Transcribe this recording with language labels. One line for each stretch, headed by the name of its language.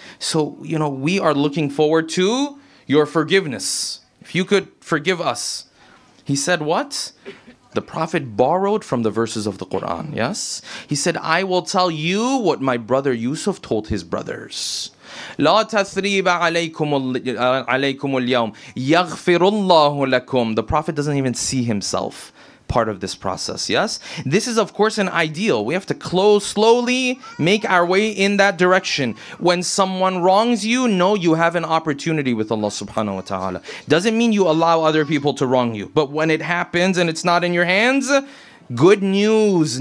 English: So, you know, we are looking forward to your forgiveness. If you could forgive us. He said what? The Prophet borrowed from the verses of the Quran, yes? He said, I will tell you what my brother Yusuf told his brothers.
Arabic: لا تثريب عليكم اليوم يغفر الله لكم.
English: The Prophet doesn't even see himself part of this process, yes? This is, of course, an ideal. We have to close slowly, make our way in that direction. When someone wrongs you, know you have an opportunity with Allah subhanahu wa ta'ala. Doesn't mean you allow other people to wrong you. But when it happens and it's not in your hands, good news.